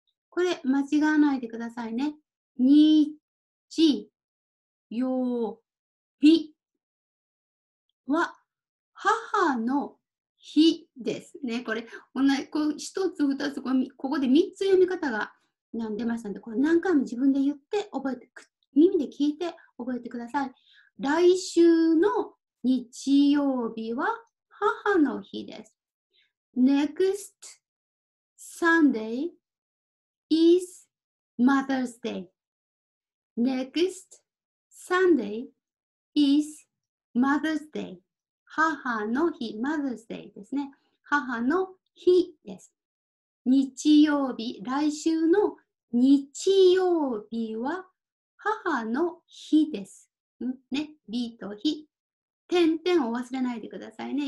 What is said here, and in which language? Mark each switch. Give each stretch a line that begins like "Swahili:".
Japanese: これ、間違わないでくださいね。日曜日は母の日ですね。これ、一つ二つ、ここで三つ読み方が出ましたんで、これ何回も自分で言って覚えて、耳で聞いて覚えてください。来週の日曜日は母の日です。
English: Next Sunday is Mother's Day. Next Sunday is Mother's Day.
Japanese: 母の日、Mother's Day ですね。母の日です。日曜日、来週の日曜日は母の日です。ね、日と日。点々を忘れないでくださいね。